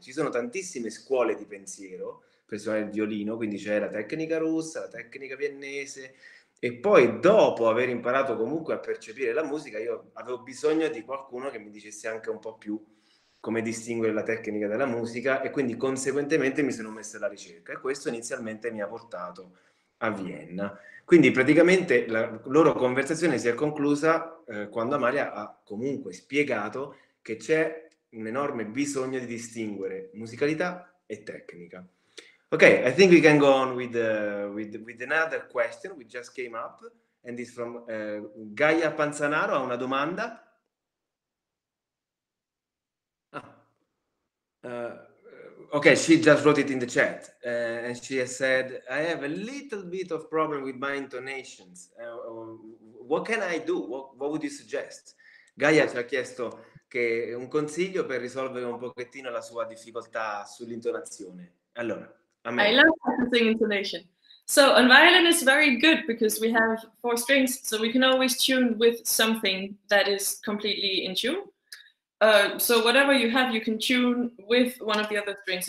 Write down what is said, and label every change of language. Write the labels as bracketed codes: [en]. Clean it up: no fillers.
[it] Ci sono tantissime scuole di pensiero per suonare il violino, quindi c'è la tecnica russa, la tecnica viennese, e poi dopo aver imparato comunque a percepire la musica, io avevo bisogno di qualcuno che mi dicesse anche un po' più come distinguere la tecnica dalla musica, e quindi conseguentemente mi sono messo alla ricerca, e questo inizialmente mi ha portato a Vienna. Quindi praticamente la loro conversazione si è conclusa quando Amalia ha comunque spiegato che c'è un enorme bisogno di distinguere musicalità e tecnica. [en] Okay, I think we can go on with another question which just came up, and it's from Gaia Panzanaro. [it] Ha una domanda. [en] Okay, she just wrote it in the chat, and she has said, "I have a little bit of problem with my intonations. What can I do? What would you suggest?" [it] Gaia ci ha chiesto che è un consiglio per risolvere un pochettino la sua difficoltà sull'intonazione. Allora, [en] I love practicing intonation. So on violin is very good because we have four strings, so we can always tune with something that is completely in tune. So whatever you have, you can tune with one of the other strings.